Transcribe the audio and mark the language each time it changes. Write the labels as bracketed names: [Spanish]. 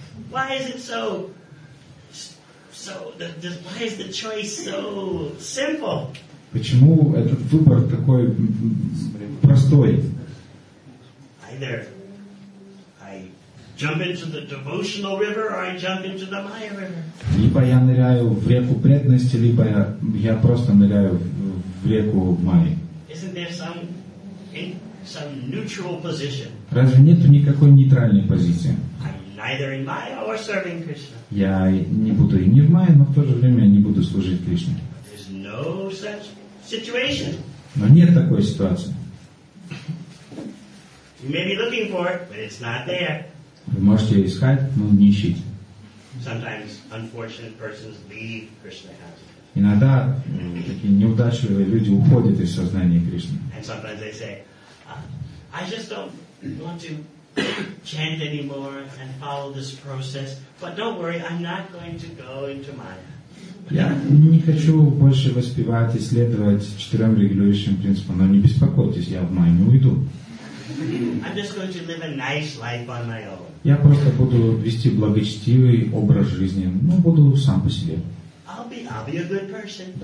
[English] Why is it so? Why is the choice so simple? [Russian] Почему этот выбор такой простой? [English] Either I jump into the devotional river or I jump into the Maya river. [Russian] Либо я ныряю в реку преданности, либо я просто ныряю в реку Майи. [English] Isn't there some neutral position? [Russian] Разве нет никакой нейтральной позиции? [English] Neither in Maya or serving Krishna. [Russian] Я не буду и не в Майе, но в то же время я не буду служить Кришне. [English] There's no such situation. [Russian] Но нет такой ситуации. [English] You may be looking for it, but it's not there. [Russian] Вы можете искать, но не ищите. [English] Sometimes unfortunate persons leave Krishna consciousness. [Russian] Иногда такие неудачливые люди уходят из сознания Кришны. [English] And sometimes they say, I just don't want to chant anymore and follow this process, but don't worry, I'm not going to go into Maya. [Russian] Я не хочу больше воспевать и следовать четырем регулирующим принципам, но не беспокойтесь, я в Майю не уйду. [English] I'm just going to live a nice life on my own. [Russian] Я просто буду вести благочестивый образ жизни, но буду сам по себе. [English] I'll be a good person.